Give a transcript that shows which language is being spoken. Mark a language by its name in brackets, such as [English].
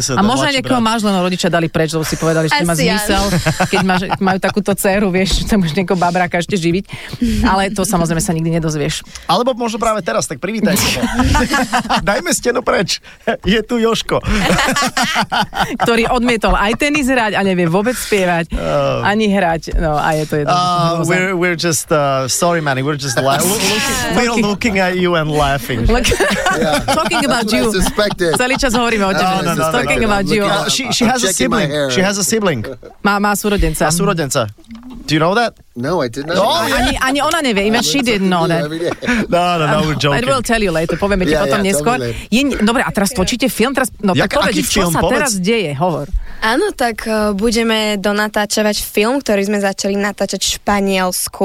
[Slovak] A možno niekoho máš, len rodičia dali preč, lebo si povedali, že ty máš zmysel, keď majú takúto dceru, vieš, tam už niekoho babráka ešte živiť. Ale to samozrejme sa nikdy nedozvieš. Alebo možno práve teraz, tak privítaj. Dajme stenu preč. Je tu Jožko. Ktorý odmietol aj tenis hrať a nevie vôbec spievať, ani hrať. No a je to jedno. [English] We're just, sorry Manny, we're just looking at you and laughing. Talking about you. [Slovak] Celý čas hovoríme o tebe. [English] Talking about you. She has a sibling. She has a sibling. [Slovak] Má súrodenca. A súrodenca. [English] Do you know that? No, I didn't know. Oh, [Slovak] ani ona nevie, [English] even she didn't know that. No, we're joking. I will tell you later, [Slovak] povieme ti potom neskôr. Dobre, a teraz točíte film? Teraz deje, hovor. Áno, tak budeme donatáčovať film, ktorý sme začali natáčať v Španielsku.